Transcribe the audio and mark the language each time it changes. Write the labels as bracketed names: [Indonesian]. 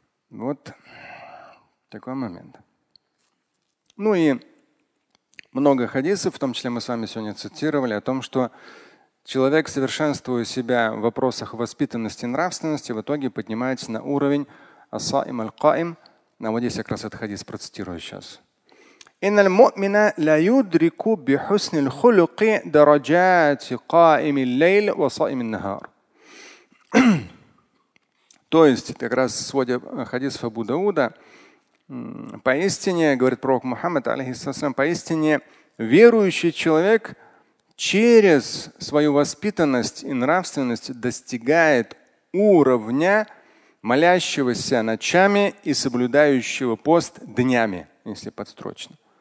[Russian] Вот такой момент. Ну и много хадисов, в том числе мы с вами сегодня цитировали, о том, что человек, совершенствуя себя в вопросах воспитанности и нравственности, в итоге поднимается на уровень «аса'им аль-ка'им». А вот здесь я как раз этот хадис процитирую сейчас. [Arabic] إن المؤمن لا يدرك بحسن الخلق درجات قائم الليل وصائم النهار. [Russian] То есть, как раз сводя хадис Абу Дауда, поистине, говорит пророк Мухаммад, алейхиссалям, поистине верующий человек через свою воспитанность и нравственность достигает уровня молящегося ночами и соблюдающего пост днями, если подстрочно.